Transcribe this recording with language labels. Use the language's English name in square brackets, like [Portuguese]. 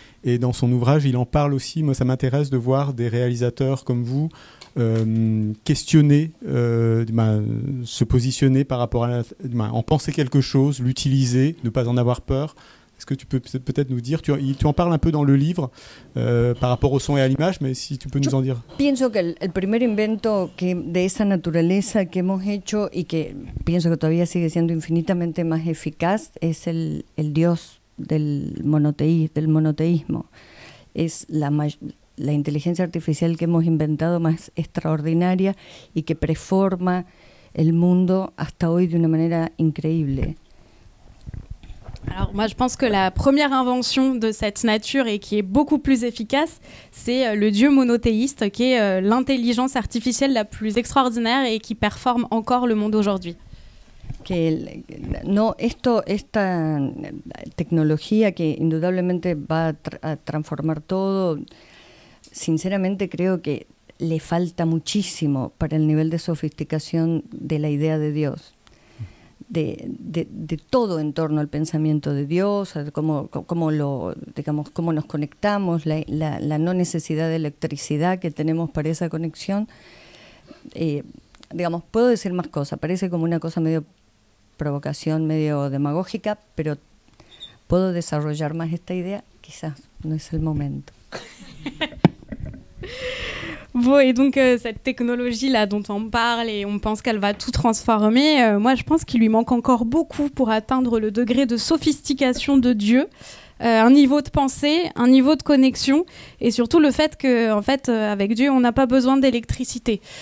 [French] Et dans son ouvrage, il en parle aussi. Moi, ça m'intéresse de voir des réalisateurs comme vous questionner, se positionner par rapport à en penser quelque chose, l'utiliser, ne pas en avoir peur. Est-ce que tu peux peut-être nous dire, tu en parles un peu dans le livre par rapport au son et à l'image, mais si tu peux nous en dire. Je pense que le premier [Spanish] invento que de esa naturaleza que hemos hecho y que pienso que todavía sigue siendo infinitamente más eficaz es el Dios. Del monoteísmo. Es la inteligencia artificial que hemos inventado más extraordinaria y que preforma el mundo hasta hoy de una manera increíble. [French] Alors moi je pense que la première invention de cette nature et qui est beaucoup plus efficace, c'est le dieu monothéiste qui est l'intelligence artificielle la plus extraordinaire et qui performe encore le monde aujourd'hui. [Spanish] Que no, esta tecnología que indudablemente va a transformar todo, sinceramente creo que le falta muchísimo para el nivel de sofisticación de la idea de Dios, de todo en torno al pensamiento de Dios, cómo nos conectamos, la no necesidad de electricidad que tenemos para esa conexión. Puedo decir más cosas, parece como una cosa medio provocación, medio demagógica, pero puedo desarrollar más esta idea, quizás no es el momento. [French] Bon, et donc cette technologie là dont on parle et on pense qu'elle va tout transformer, moi je pense qu'il lui manque encore beaucoup pour atteindre le degré de sophistication de Dieu, un niveau de pensée, un niveau de connexion et surtout le fait que en fait avec Dieu on n'a pas besoin d'électricité.